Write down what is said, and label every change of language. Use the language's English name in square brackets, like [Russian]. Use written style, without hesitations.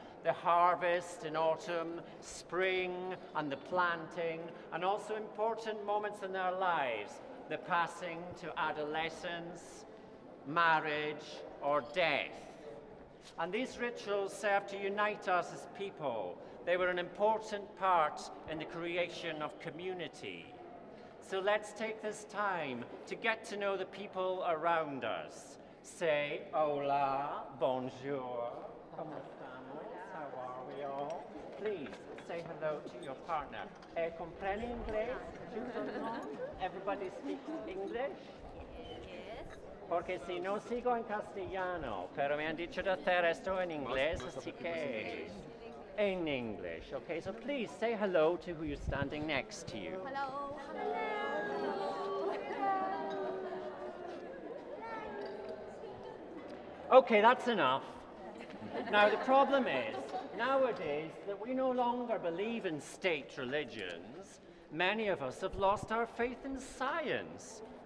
[English] The harvest in autumn, spring, and the planting, and also important moments in their lives, the passing to adolescence, marriage, or death. And these rituals serve to unite us as people. They were an important part in the creation of community. So let's take this time to get to know the people around us. Say hola, bonjour, [Spanish] ¿cómo estamos? [English] How are we all? Please say hello to your partner. [Spanish] ¿Comprende inglés? [English] Everybody speaks English? Yes. [Spanish] Porque si no sigo en castellano, pero me han dicho de hacer esto en inglés, así que... [English] In English, okay? So please say hello to who you're standing next to you. Hello. Hello. Okay, that's enough. Now, the problem is, nowadays, that we no longer believe in state religions, many of us have lost our faith in science.